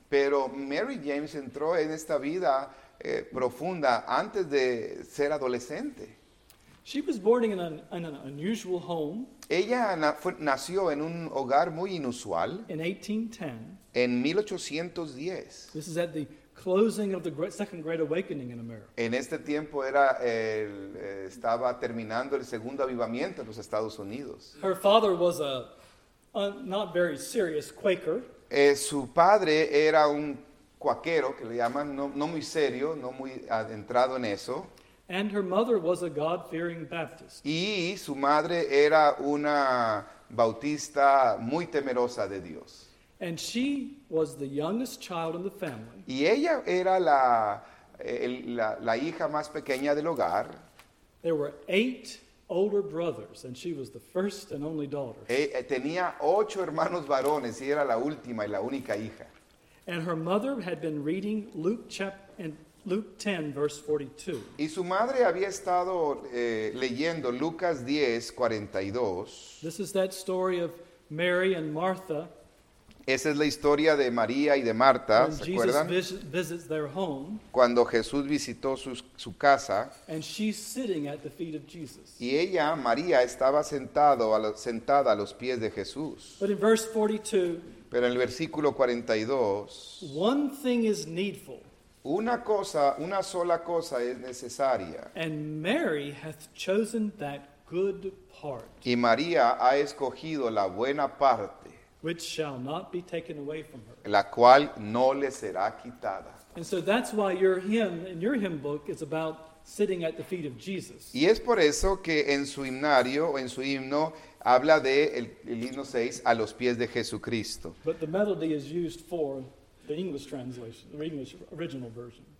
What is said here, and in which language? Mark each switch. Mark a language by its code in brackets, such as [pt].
[es] Pero Mary James entró en esta vida profunda antes de ser adolescente. [en] She was born in an unusual home. [es] Ella nació en un hogar muy inusual. [en] In 1810. [es] En 1810. [en] This is at the closing of the Second Great Awakening in America. [es] En este tiempo era estaba terminando el segundo avivamiento en los Estados Unidos. [en] Her father was a not very serious Quaker. [es] Su padre era un cuaquero, que le llaman, no muy serio, no muy adentrado en eso. [en] And her mother was a God-fearing Baptist. [es] Y su madre era una bautista muy temerosa de Dios. [en] And she was the youngest child in the family. [es] Y ella era la hija más pequeña del hogar. [en] There were 8 older brothers, and she was the first and only daughter. [es] Tenía 8 hermanos varones, y era la última y la única hija. [en] And her mother had been reading Luke 10, verse 42. [es] Y su madre había estado leyendo Lucas 10, 42. [en] This is that story of Mary and Martha. [es] Esa es la historia de María y de Marta, [en] when [es] ¿se acuerdan? [en] Visits their home, [es] cuando Jesús visitó su casa, [en] and she's sitting at the feet of Jesus. [es] Y ella, María, estaba sentada a los pies de Jesús. [en] But in verse 42, [es] pero en el versículo 42, [en] one thing is needful, [es] una sola cosa es necesaria, [en] and Mary hath chosen that good part. [es] Y María ha escogido la buena parte, [en] which shall not be taken away from her. [es] La cual no le será quitada. [en] And so that's why your hymn in your hymn book is about sitting at the feet of Jesus. [es] Y es por eso que en su himnario, en su himno, habla de el himno 6, a los pies de Jesucristo. [en] But the melody is used for the English translation, the English original version.